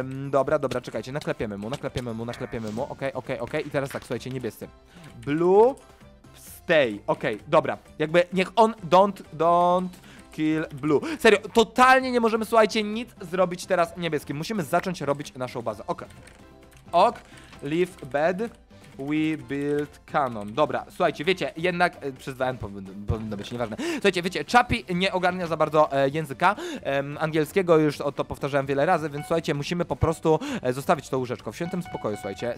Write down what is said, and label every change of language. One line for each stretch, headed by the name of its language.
Polish: Dobra, dobra, czekajcie, naklepiemy mu, okej. I teraz tak, słuchajcie, niebiescy.
English: Blue, stay,
Polish: okej, dobra. Jakby, niech on,
English: don't kill blue.
Polish: Serio, totalnie nie możemy, słuchajcie, nic zrobić teraz niebieskim. Musimy zacząć robić naszą bazę, okej.
English: Ok, leave bed. We build cannon.
Polish: Dobra, słuchajcie, wiecie, jednak przez 2N powinno być, nieważne. Słuchajcie, wiecie, Czapi nie ogarnia za bardzo języka angielskiego, już o to powtarzałem wiele razy, więc słuchajcie, musimy po prostu zostawić to łóżeczko w świętym spokoju, słuchajcie.